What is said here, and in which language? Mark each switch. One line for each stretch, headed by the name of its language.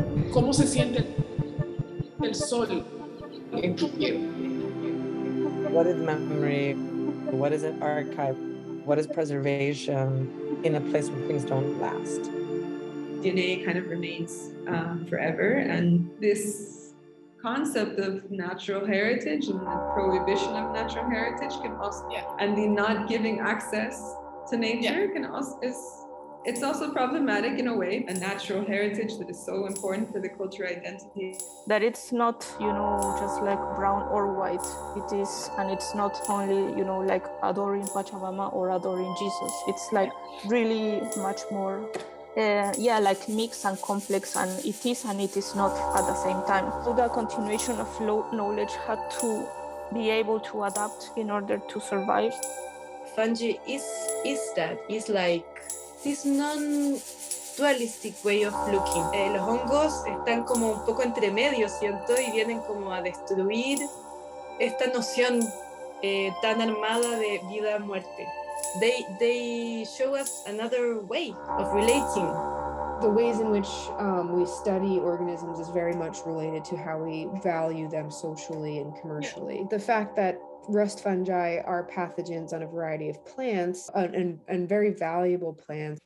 Spanish: ¿Cómo se siente el sol en tu piel?
English: What is memory? What is an archive? What is preservation in a place where things don't last? DNA kind of remains forever, and this concept of natural heritage and the prohibition of natural heritage can also, yeah, and the not giving access to nature, yeah, can also, it's also problematic in a way. A natural heritage that is so important for the cultural identity. That it's not, you know, just like brown or white. It is, and it's not only, you know, like adoring Pachamama or adoring Jesus. It's like really much more, yeah, like mixed and complex, and it is and it is not at the same time. So the continuation of knowledge had to be able to adapt in order to survive. Fungi is that, it's like, this non-dualistic way of looking.
Spanish: Los hongos están como un poco entre medio, siento, y vienen como a destruir esta noción tan armada de vida-muerte.
English: They show us another way of relating. The ways in which we study organisms is very much related to how we value them socially and commercially. Yeah. The fact that rust fungi are pathogens on a variety of plants and very valuable plants.